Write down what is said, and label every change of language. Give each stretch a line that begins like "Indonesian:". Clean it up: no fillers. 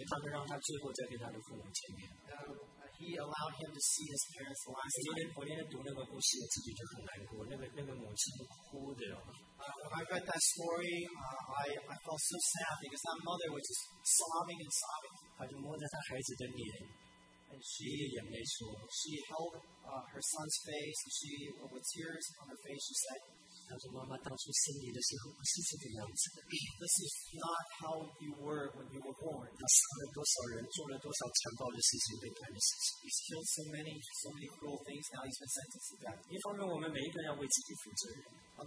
Chinese: 他们让他最后再跟他的父母见面。He
English: allowed him to see his parents last time.
Chinese: 昨天读那个故事，自己就很难过，那个母亲都哭的。When
English: I read that story, I felt so sad because that mother was just sobbing and sobbing.
Chinese: 她就摸着她孩子的脸，and
English: she held her son's face, and she with tears on her face, she said.
Chinese: 他说：“妈妈当初生你的时候不是这个样子的。This
English: is not how you were when you were born.
Chinese: 他杀了多少人，做了多少残暴的事情，被判的事情。He's
English: killed so many cruel things. Now he's been sentenced to death.
Chinese: 一方面，我们每一个人要为自己负责任。On